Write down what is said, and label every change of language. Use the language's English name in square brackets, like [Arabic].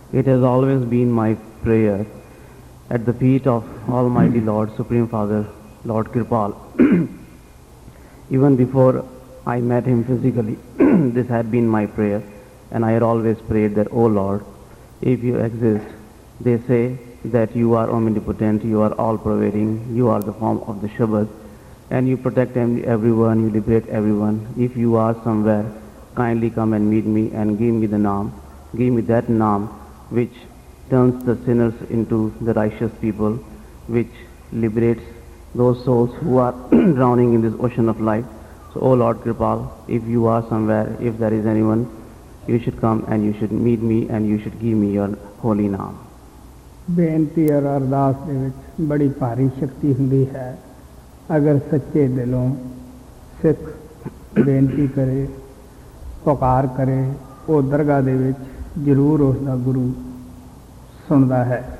[English] It has always been my prayer at the feet of Almighty Lord supreme father Lord Kirpal even before I met him physically this had been my prayer and I had always prayer that O Lord if you exist they say that you are omnipotent, you are all-pervading, you are the form of the Shabad, and you protect everyone, you liberate everyone. If you are somewhere, kindly come and meet me and give me the naam. Give me that naam which turns the sinners into the righteous people, which liberates those souls who are drowning in this ocean of life. So, O Lord Kripal, if you are somewhere, if there is anyone, you should come and you should meet me and you should give me your holy naam. [Punjabi] ਬੇਨਤੀ ਔਰ ਅਰਦਾਸ ਦੇ ਵਿੱਚ ਬੜੀ ਭਾਰੀ ਸ਼ਕਤੀ ਹੁੰਦੀ ਹੈ ਅਗਰ ਸੱਚੇ ਦਿਲੋਂ ਸਿੱਖ ਬੇਨਤੀ ਕਰੇ ਪੁਕਾਰ ਕਰੇ ਉਹ ਦਰਗਾਹ ਦੇ ਵਿੱਚ ਜ਼ਰੂਰ ਉਸਦਾ ਗੁਰੂ ਸੁਣਦਾ ਹੈ